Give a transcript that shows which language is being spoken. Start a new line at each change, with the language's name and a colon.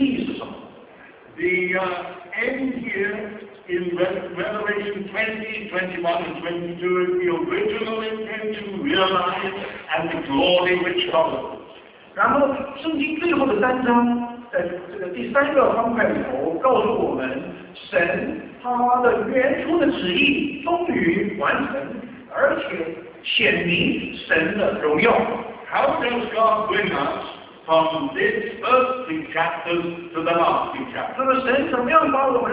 English: end here in Revelation 20, 21, and 22 is the original intention realized and the glory which follows.
Chinese: 然后圣经最后的三章，在这个第三个方块里头告诉我们。神他的原初的旨意终于完成，而且显明神的荣耀。
English: How does God bring us from this first three chapters to the last three chapters?